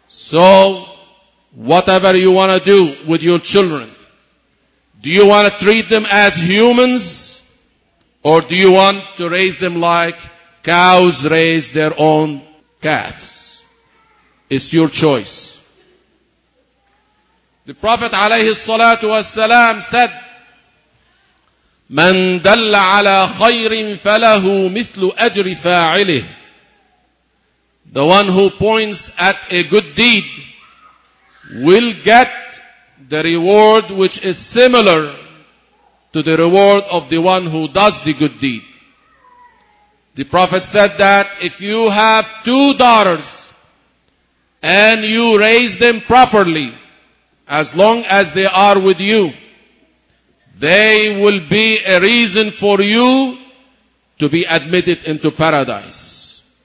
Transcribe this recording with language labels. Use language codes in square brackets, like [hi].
[en] So, whatever you want to do with your children, do you want to treat them as humans or do you want to raise them like cows raise their own calves? It's your choice. The Prophet [ar] عليه الصلاة والسلام [en] said, [ar] من دل على خير فله مثل أجر فاعله. [en] The one who points at a good deed will get the reward which is similar to the reward of the one who does the good deed. The Prophet said that if you have two daughters and you raise them properly, as long as they are with you, they will be a reason for you to be admitted into paradise.